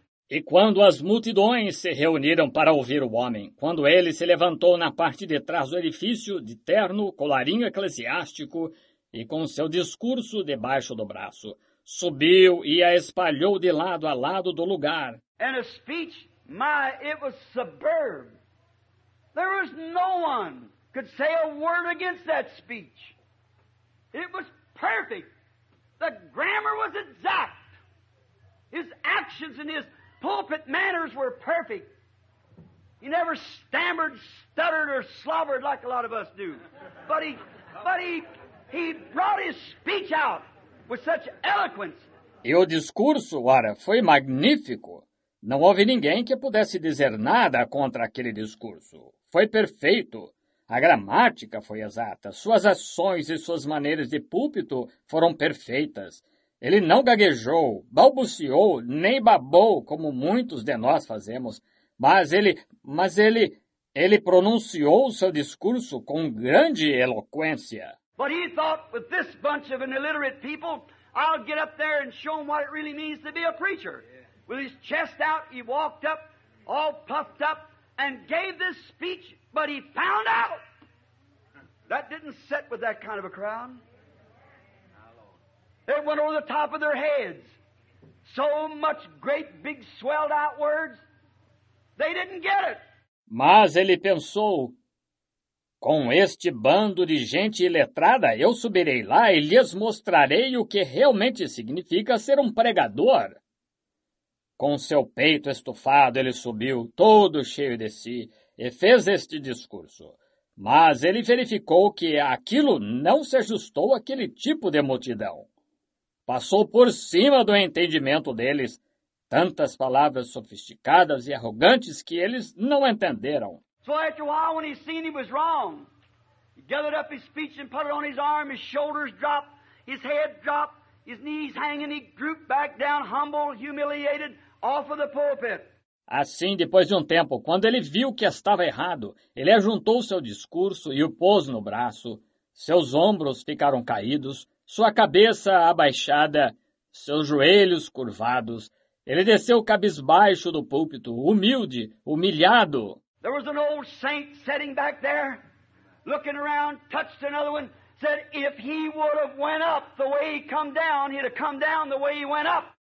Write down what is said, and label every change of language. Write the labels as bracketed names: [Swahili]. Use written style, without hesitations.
[Portuguese] e quando as multidões se reuniram para ouvir o homem, quando ele se levantou na parte de trás do edifício, de terno, colarinho eclesiástico, e com seu discurso debaixo do braço, subiu e a espalhou de lado a lado do lugar. [English] And a speech, my, it was superb. There was no one could say a word against that speech. It was perfect. The grammar was exact. His actions and his pulpit manners were perfect. He never stammered, stuttered, or slobbered like a lot of us do. But he brought his speech out with such eloquence. [Portuguese] E o discurso, ora, foi magnífico. Não houve ninguém que pudesse dizer nada contra aquele discurso. Foi perfeito. A gramática foi exata, suas ações e suas maneiras de púlpito foram perfeitas. Ele não gaguejou, balbuciou, nem babou, como muitos de nós fazemos, mas ele pronunciou seu discurso com grande eloquência. [English] But he thought, with this bunch of an illiterate people, I'll get up there and show them what it really means to be a preacher. With his chest out, he walked up, all puffed up, and gave this speech. But he found out that didn't set with that kind of a crowd. It went over the top of their heads. So much great big swelled out words, they didn't get it. [Portuguese] Mas ele pensou, com este bando de gente iletrada, eu subirei lá e lhes mostrarei o que realmente significa ser pregador. Com seu peito estufado, ele subiu, todo cheio de si, e fez este discurso, mas ele verificou que aquilo não se ajustou àquele tipo de multidão. Passou por cima do entendimento deles, tantas palavras sofisticadas e arrogantes que eles não entenderam. [English] So after a while, when he seen he was wrong, he gathered up his speech and put it on his arm, his shoulders dropped, his head dropped, his knees hanging, he drooped back down, humble, humiliated, off of the pulpit. [Portuguese] Assim, depois de tempo, quando ele viu que estava errado, ele ajuntou seu discurso e o pôs no braço. Seus ombros ficaram caídos, sua cabeça abaixada, seus joelhos curvados. Ele desceu cabisbaixo do púlpito, humilde, humilhado. [English] There was an old saint sitting back there, looking around, touched another one, said if he would have went up the way he come down, he'd have come down the way he went up.